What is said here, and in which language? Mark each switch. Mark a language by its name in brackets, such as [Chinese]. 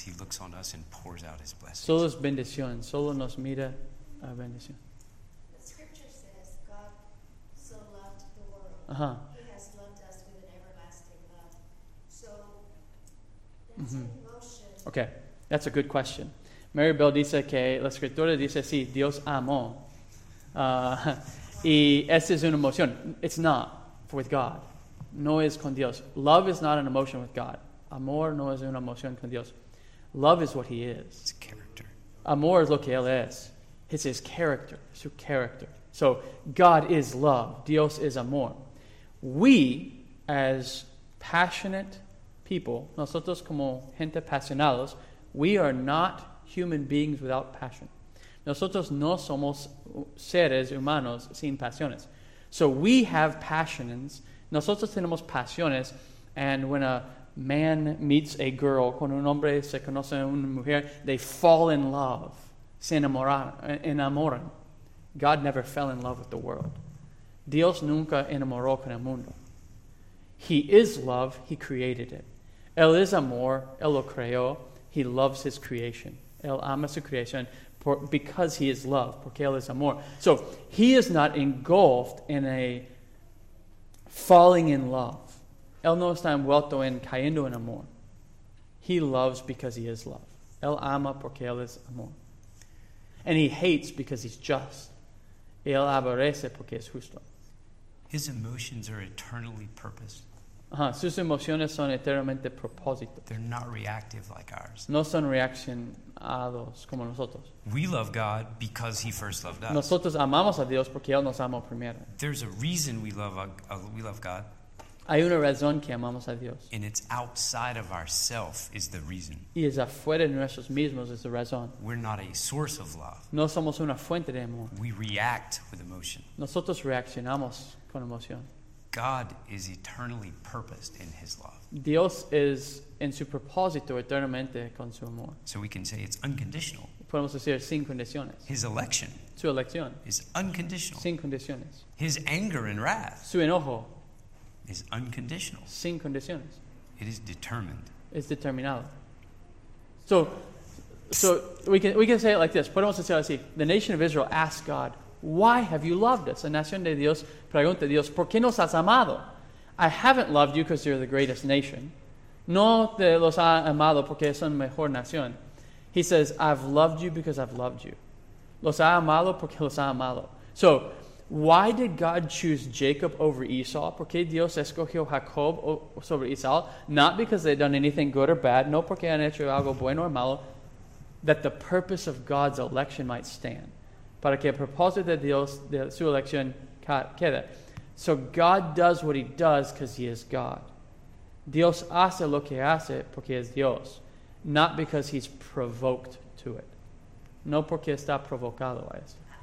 [English] He looks on us and pours out his blessings. [Spanish] Solo es bendición. Solo nos mira a bendición. [English] The scripture says God so loved the world. Uh-huh. He has loved us with an everlasting love. So that's mm-hmm. emotion. Okay. That's a good question. [Spanish] Mary Bell dice que la escritura dice sí, Dios amó. Y esa es una emoción. [English] It's not with God. [Spanish] No es con Dios. [English] Love is not an emotion with God. [Spanish] Amor no es una emoción con Dios. [English] Love is what he is. It's character. [Spanish] Amor es lo que él es. [English] It's his character. [Spanish] Su character. [English] So, God is love. [Spanish] Dios es amor. [English] We, as passionate people, [Spanish] nosotros como gente pasionados, [English] we are not human beings without passion. [Spanish] Nosotros no somos seres humanos sin pasiones. [English] So, we have passions. [Spanish] Nosotros tenemos pasiones. [English] And when a man meets a girl, [Spanish] cuando un hombre se conoce a una mujer, [English] they fall in love, [Spanish] se enamoran. [English] God never fell in love with the world. [Spanish] Dios nunca enamoró con el mundo. [English] He is love, he created it. [Spanish] Él es amor, él lo creó, [English] he loves his creation. [Spanish] Él ama su creación [English] because he is love, [Spanish] porque él es amor. [English] So he is not engulfed in a falling in love. [Spanish] Él no está envuelto en cayendo en amor. [English] He loves because he is love. [Spanish] Él ama porque él es amor. [English] And he hates because he's just. [Spanish] Él aborrece porque es justo. [English] His emotions are eternally purposed. [Spanish] Sus emociones son eternamente propósito. [English] They're not reactive like ours. [Spanish] No son reaccionados como nosotros. [English] We love God because he first loved us. [Spanish] Nosotros amamos a Dios porque él nos amó primero. [English] There's a reason we love God. [Spanish] Hay una razón que amamos a Dios. [English] And it's outside of ourself is the reason. [Spanish] Y es afuera de nosotros mismos es la razón. [English] We're not a source of love. [Spanish] No somos una fuente de amor. [English] We react with emotion. [Spanish] Nosotros reaccionamos con emoción. [English] God is eternally purposed in his love. [Spanish] Dios es en su propósito eternamente con su amor. [English] So we can say it's unconditional. [Spanish] Podemos decir sin condiciones. [English] His election. [Spanish] Su elección. [English] Is unconditional. [Spanish] Sin condiciones. [English] His anger and wrath. [Spanish] Su enojo. [English] Is unconditional. [Spanish] Sin condiciones. [English] It is determined. [Spanish] Es determinado. [English] So we can say it like this. [Spanish] Podemos decir así. [English] The nation of Israel asked God, why have you loved us? [Spanish] La nación de Dios pregunta a Dios, ¿por qué nos has amado? [English] I haven't loved you because you're the greatest nation. [Spanish] No te los ha amado porque son mejor nación. [English] He says, I've loved you because I've loved you. [Spanish] Los ha amado porque los ha amado. [English] So, why did God choose Jacob over Esau? [Spanish] ¿Por qué Dios escogió Jacob sobre Esau? [English] Not because they've done anything good or bad. [Spanish] No porque han hecho algo bueno o malo. [English] That the purpose of God's election might stand. [Spanish] Para que el propósito de Dios, de su elección, quede. [English] So God does what he does because he is God. [Spanish] Dios hace lo que hace porque es Dios. [English] Not because he's provoked to it. [Spanish] No porque está provocado a eso.